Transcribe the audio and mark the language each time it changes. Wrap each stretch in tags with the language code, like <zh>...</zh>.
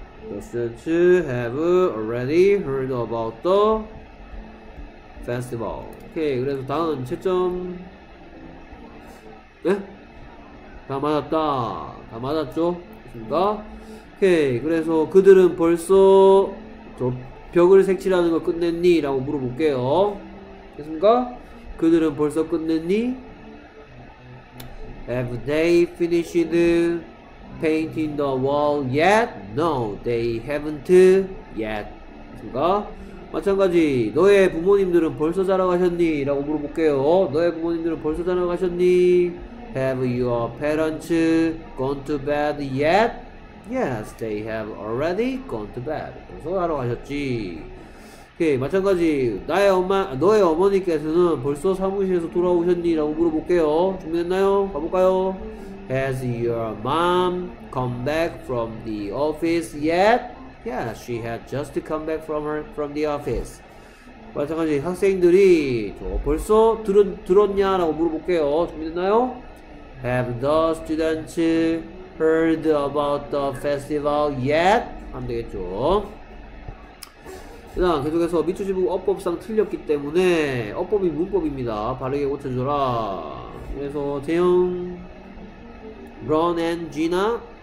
<en>Just to have already heard about the festival.</en> <ko>오케이 그래서 다음 채점 네? 다 맞았다 다 맞았죠? 그렇습니까? 오케이 그래서 그들은 벌써 저 벽을 색칠하는 거 끝냈니? 라고 물어볼게요 됐습니까? 그들은 벌써 끝냈니?</ko> <en>Have they finished painting the wall yet? No, they haven't yet</en> <ko>됐습니까? 마찬가지 너의 부모님들은 벌써 자러 가셨니? 라고 물어볼게요 너의 부모님들은 벌써 자러 가셨니?</ko> <en>Have your parents gone to bed yet? Yes, they have already gone to bed</en> <ko>벌써 자러 가셨지 오케이 마찬가지 나의 엄마, 너의 어머니께서는 벌써 사무실에서 돌아오셨니? 라고 물어볼게요 준비됐나요? 가볼까요?</ko> <en>Has your mom come back from the office yet? Yeah, she had just come back from her from the office.</en> <ko>마찬가지 학생들이 저 벌써 들었냐라고 물어볼게요. 준비됐나요?</ko> <en>Have the students heard about the festival yet?</en> <ko>안 되겠죠. 그다음 계속해서 미추지부 어법상 틀렸기 때문에 어법이 문법입니다. 바르게 고쳐줘라. 그래서 대형 Ron and Gina.</ko>